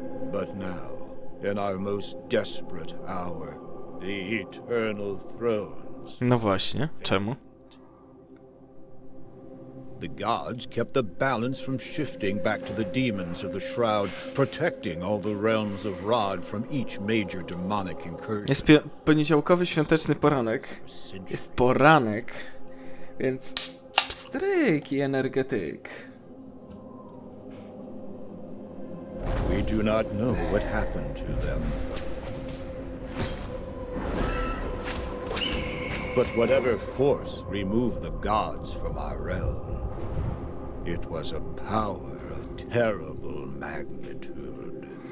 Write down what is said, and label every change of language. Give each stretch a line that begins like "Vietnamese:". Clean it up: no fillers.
English: But now, in our most desperate hour, the eternal thrones.
Polish: No właśnie, czemu?
English: The gods kept the balance from shifting back to the demons of the Shroud, protecting all the realms of Rod from each major demonic incursion.
Polish: Jest poniedziałkowy świąteczny poranek. Jest poranek, więc pstryk i energetyk.
English: We do not know what happened to them. But whatever force removed the gods from our realm, it was a power of terrible magnitude.